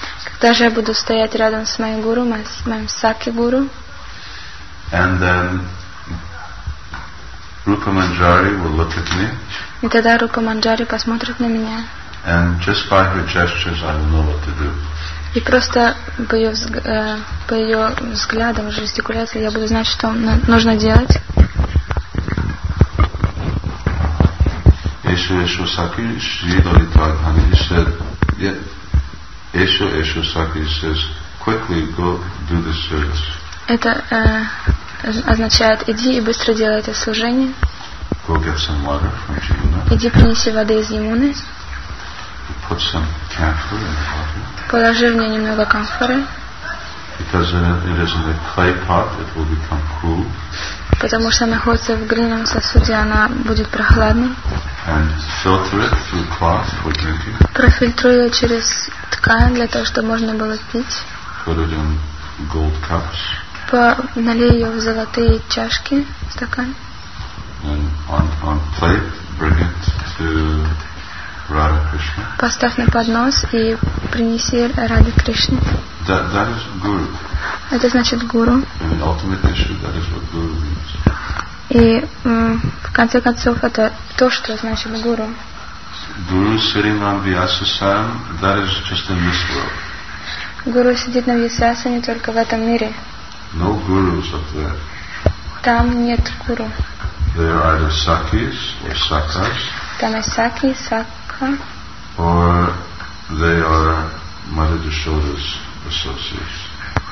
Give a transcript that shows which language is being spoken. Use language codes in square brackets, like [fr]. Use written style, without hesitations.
[ru] Когда же я буду стоять рядом с моим гуру, с моим Sakhi guru? [en] And then Rupa Manjari will look at me. [ru] И тогда Рупа Манджари посмотрит на меня. [en] And just by her gestures, I will know what to do. [ru] И просто по ее взглядам, жестикуляции, я буду знать, что нужно делать. [sa] Эшу эшу саки шридоли твадхани. [en] He said, [sa] эшу эшу саки. [en] He says, quickly go do this service. [ru] Это означает, иди и быстро делай это служение. [en] Go get some water from Yamuna. [ru] Иди принеси воды из Ямуны. [en] Put some camphor in the water. [ru] Положи в нее немного камфоры. [en] Because it is in a clay pot, it will become cool. [ru] Потому что находится в глиняном сосуде, она будет прохладной. [en] And filter it through cloth for drinking. [ru] Профильтруй ее через ткань для того, чтобы можно было пить. [en] Put it in gold cups. [ru] Налей ее в золотые чашки, стакан. [en] And on plate, bring it to Radha Krishna. [ru] Поставь на поднос и принеси Раде Кришне. [en] That is guru. [ru] Это значит гуру. [en] In the ultimate issue, that is what guru means. [ru] И конце концов, это то, что значит гуру. [en] Guru sitting on Vyasasam, that is just in this world. [ru] Гуру сидит на Вьясасане только в этом мире. [en] No gurus up there. [ru] Там нет гуру. [en] There are either sakis or sakas. [ru] Там есть саки, сака. [en] Or they are Mother Yashoda's associates.